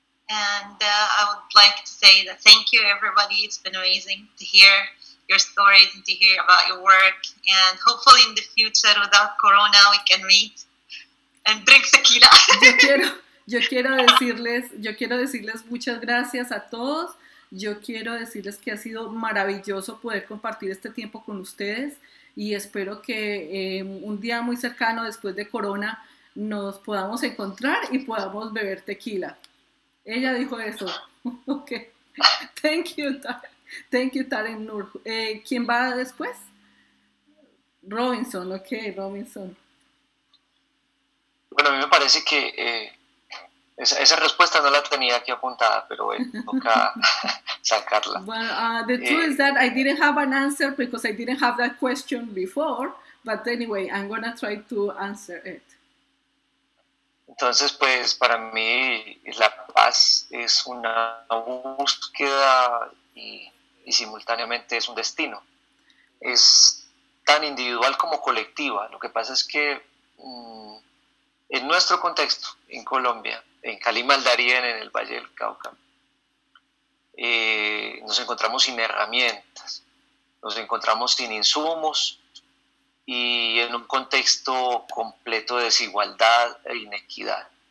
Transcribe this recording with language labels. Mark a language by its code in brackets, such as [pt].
[en] And I would like to say that thank you, everybody. It's been amazing to hear your stories and to hear about your work. And hopefully in the future, without Corona, we can meet and drink tequila. [es] Yo quiero decirles muchas gracias a todos. Yo quiero decirles que ha sido maravilloso poder compartir este tiempo con ustedes y espero que un día muy cercano después de Corona nos podamos encontrar y podamos beber tequila. Ella dijo eso. [en] Ok. Thank you, Tarek. Thank you, [es] Tarek Nur. ¿Quién va después? Robinson. [en] Ok, Robinson. [es] Bueno, a mí me parece que esa respuesta no la tenía aquí apuntada, pero toca sacarla. [en] Well, the truth is that I didn't have an answer because I didn't have that question before, but anyway, I'm going to try to answer it. [es] Entonces, pues, para mí la paz es una búsqueda y simultáneamente es un destino. Es tan individual como colectiva. Lo que pasa es que en nuestro contexto, en Colombia, en Calima, el Darién, en el Valle del Cauca, nos encontramos sin herramientas, nos encontramos sin insumos y en un contexto completo de desigualdad e inequidad.